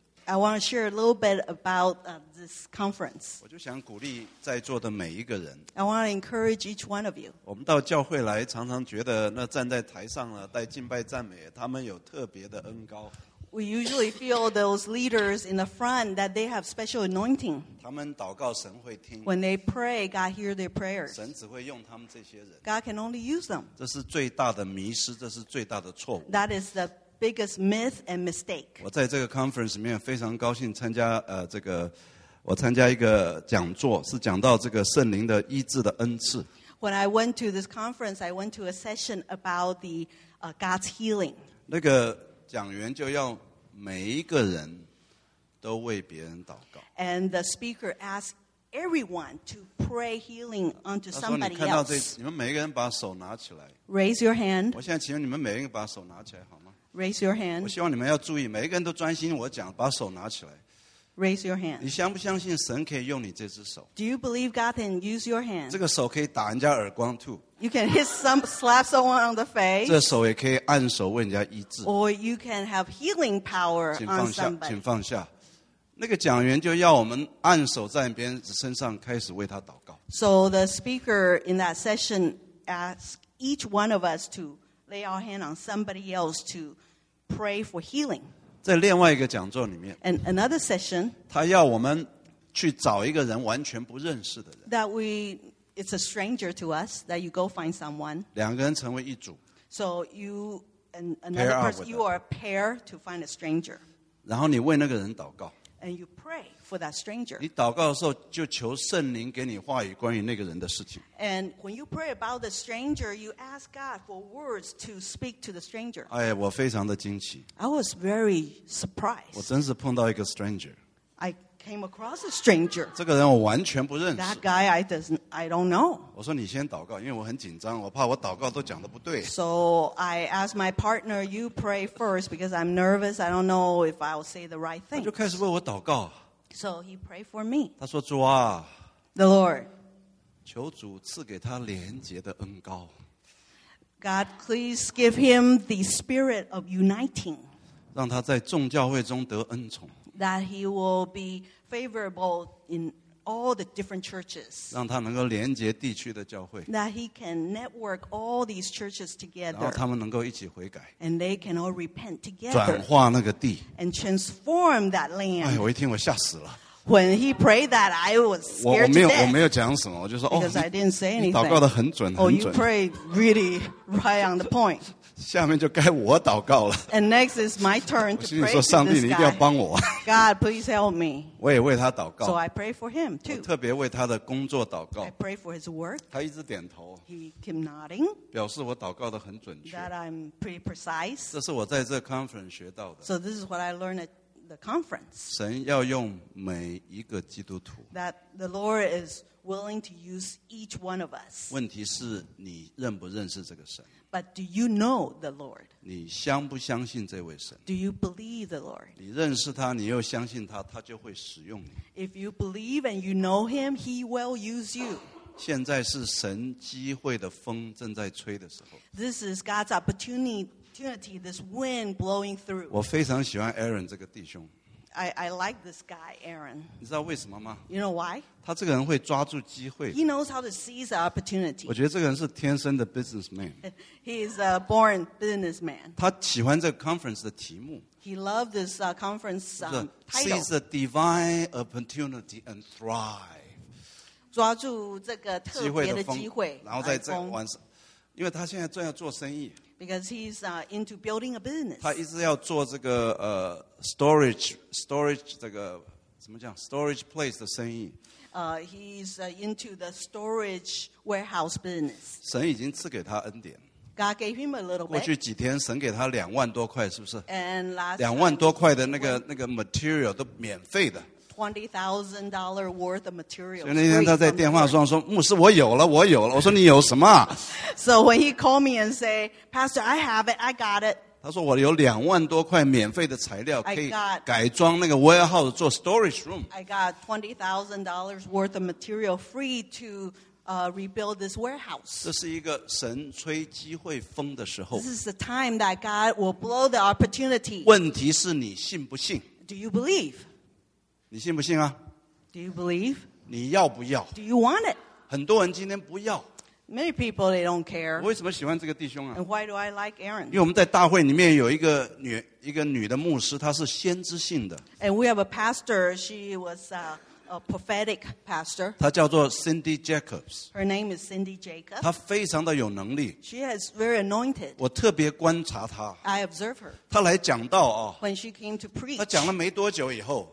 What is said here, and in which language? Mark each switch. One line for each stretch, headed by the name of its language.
English: I want to share a little bit about this conference. I want to encourage each one of you.
Chinese: 我们到教会来常常觉得那站在台上了带敬拜赞美他们有特别的恩膏。
English: We usually feel those leaders in the front that they have special anointing.
Chinese: 他们祷告, 神会听,
English: when they pray, God hears their prayers.
Chinese: 神只会用他们这些人,
English: God can only use them.
Chinese: 这是最大的迷失, 这是最大的错误,
English: that is the biggest myth and mistake.
Chinese: 我在这个conference里面非常高兴参加, 我参加一个讲座, 是讲到这个圣灵的医治的恩赐。
English: When I went to this conference, I went to a session about the God's healing.
Chinese: 那个讲员就要每一个人都为别人祷告。
English: And the speaker asked everyone to pray healing onto somebody else.
Chinese: 你们每一个人把手拿起来。
English: Raise your hand.
Chinese: 我现在请你们每一个人把手拿起来好吗？
English: Raise your hand.
Chinese: 我希望你们要注意, 每一个人都专心我讲, 把手拿起来。
English: Raise your hand.
Chinese: 你相不相信神可以用你这只手?
English: Do you believe God can use your hand?
Chinese: 这个手可以打人家耳光,
English: too. You can hit some, slap someone on the face.
Chinese: 这手也可以按手为人家医治。
English: Or you can have healing power
Chinese: 请放下,
English: on somebody.
Chinese: 请放下。那个讲员就要我们按手在别人身上开始为他祷告。
English: So the speaker in that session asked each one of us to lay our hand on somebody else to pray for healing.
Chinese: 在另外一个讲座里面,
English: and another session,
Chinese: 他要我们去找一个人完全不认识的人,
English: that we, it's a stranger to us, that you go find someone.
Chinese: 两个人成为一组,
English: so you and another person, you are a pair to find a stranger.
Chinese: 然后你为那个人祷告,
English: and you pray for that stranger.
Chinese: 你祷告的时候就求圣灵给你话语关于那个人的事情。
English: And when you pray about the stranger, you ask God for words to speak to the stranger.
Chinese: 哎，我非常的惊奇。
English: I was very surprised.
Chinese: 我真是碰到一个 stranger.
English: I came across a stranger.
Chinese: 这个人我完全不认识。
English: That guy I don't know.
Chinese: 我说你先祷告，因为我很紧张，我怕我祷告都讲的不对。
English: So I asked my partner, you pray first because I'm nervous. I don't know if I'll say the right thing.
Chinese: 他就开始为我祷告。
English: So he prayed for me.
Chinese: 他说主啊,
English: the Lord,
Chinese: 求主赐给他连结的恩膏。
English: God, please give him the spirit of uniting.
Chinese: 让他在众教会中得恩宠。
English: That he will be favorable in all the different churches.
Chinese: 让他能够连接地区的教会。
English: That he can network all these churches together.
Chinese: 然后他们能够一起悔改。
English: And they can all repent together.
Chinese: 转化那个地。
English: And transform that land.
Chinese: 哎, 我一听我吓死了。
English: When he prayed that, I was scared.
Chinese: 我没有讲什么, 我就说,
English: because 哦, I didn't say anything.
Chinese: 你祷告得很准,
English: oh, you prayed really right on the point.
Chinese: 下面就该我祷告了。
English: And next is my turn to
Chinese: 我心里说,
English: pray for this guy.
Chinese: 你一定要帮我。
English: God, please help me.
Chinese: 我也为他祷告。
English: So I pray for him too.
Chinese: 我特别为他的工作祷告。
English: I pray for his work.
Chinese: 他一直点头。
English: He kept nodding.
Chinese: 表示我祷告得很准确。
English: That I'm pretty precise.
Chinese: 这是我在这conference学到的。
English: So this is what I learned at the conference.
Chinese: 神要用每一个基督徒。
English: That the Lord is willing to use each one of us.
Chinese: 问题是你认不认识这个神。
English: But do you know the Lord?
Chinese: 你相不相信这位神?
English: Do you believe the Lord?
Chinese: 你认识他, 你又相信他, 他就会使用你。
English: If you believe and you know him, he will use you.
Chinese: 现在是神机会的风正在吹的时候。
English: This is God's opportunity, this wind blowing through.
Chinese: 我非常喜欢Aaron这个弟兄。
English: I like this guy, Aaron.
Chinese: 你知道为什么吗?
English: You know why?
Chinese: 他这个人会抓住机会。
English: He knows how to seize the opportunity.
Chinese: 我觉得这个人是天生的businessman.
English: He is a born businessman.
Chinese: 他喜欢这个conference的题目。
English: He loved this conference title. Seize the divine opportunity and thrive.
Chinese: 抓住这个特别的机会。然后在这晚上, 因为他现在正要做生意。
English: Because he's into building a business.
Chinese: 他一直要做这个, storage 这个, 怎么讲,
English: storage place
Chinese: 的生意。
English: He's into the storage warehouse business.
Chinese: 神已经赐给他恩典。
English: God gave him a little bit.
Chinese: 过去几天神给他2万多块, 是不是?
English: And last
Chinese: 2万多块的那个, 那个material都免费的。
English: $20,000 worth of material.
Chinese: 所以那天他在电话上说, 牧师我有了, 我有了, 我说你有什么?
English: So when he called me and said, Pastor, I have it, I got it.
Chinese: 他说我有2万多块免费的材料, 可以改装那个 warehouse 做 storage room.
English: I got $20,000 worth of material free to rebuild this warehouse.
Chinese: 这是一个神吹机会风的时候。
English: This is the time that God will blow the opportunity.
Chinese: 问题是你信不信?
English: Do you believe?
Chinese: 你信不信啊?
English: Do you believe?
Chinese: 你要不要?
English: Do you want it?
Chinese: 很多人今天不要。
English: Many people, they don't care.
Chinese: 为什么喜欢这个弟兄啊?
English: And why do I like Aaron?
Chinese: 因为我们在大会里面有一个女的牧师, 她是先知性的。
English: And we have a pastor, she was a prophetic pastor.
Chinese: 她叫做 Cindy Jacobs.
English: Her name is Cindy Jacobs.
Chinese: 她非常的有能力。
English: She is very anointed.
Chinese: 我特别观察她。
English: I observe her.
Chinese: 她来讲道啊。
English: When she came to preach.
Chinese: 她讲了没多久以后,